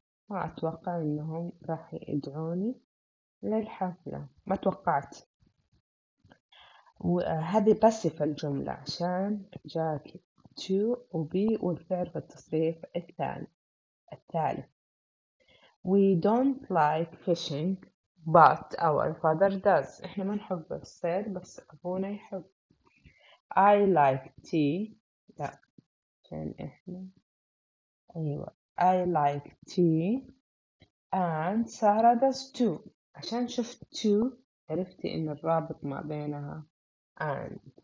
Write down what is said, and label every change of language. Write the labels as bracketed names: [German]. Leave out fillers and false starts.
[Arabic] ما أتوقع إنهم راح يدعوني للحفلة. ما توقعت. وهذه بس في الجملة عشان جاك to و be والفعل في التصريف الثاني. الثالث. [English] We don't like fishing but our father does. [Arabic] احنا ما نحب الصيد بس ابونا يحب. [English] I like tea. [Arabic] لا عشان احنا ايوه. [English] I like tea and Sarah does too. [Arabic] عشان شفت too عرفتي ان الرابط ما بينها and.